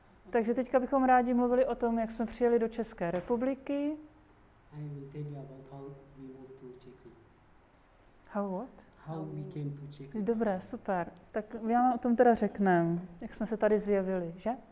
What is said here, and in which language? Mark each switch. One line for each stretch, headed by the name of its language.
Czech: Takže teďka bychom rádi mluvili o tom, jak jsme přijeli do České republiky.
English: I will tell you about how we moved to Czech Republic. How what? How we came to Czech Republic.
Czech: Dobré, super. Tak já vám o tom teda řekneme, jak jsme se tady zjevili, že?